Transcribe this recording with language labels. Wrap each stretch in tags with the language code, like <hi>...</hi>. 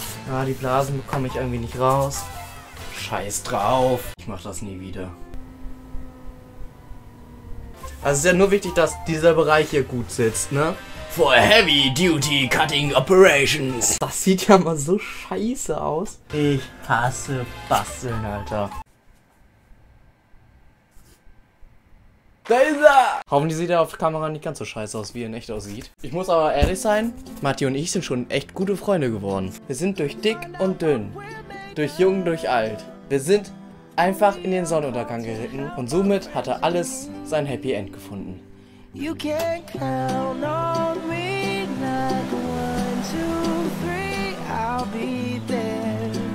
<de>Ah, die Blasen bekomme ich irgendwie nicht raus. Scheiß drauf. Ich mach das nie wieder. Also es ist ja nur wichtig, dass dieser Bereich hier gut sitzt, ne?</de> <en>For heavy duty cutting operations.</en> <de>Das sieht ja mal so scheiße aus. Ich hasse Basteln, Alter. Da ist er! Hoffentlich sieht er auf der Kamera nicht ganz so scheiße aus, wie er in echt aussieht. Ich muss aber ehrlich sein, Matti und ich sind schon echt gute Freunde geworden. Wir sind durch dick und dünn, durch jung, durch alt. Wir sind einfach in den Sonnenuntergang geritten und somit hat er alles sein Happy End gefunden.</de> <en>You can count on me, not one, two, three, I'll be there.</en>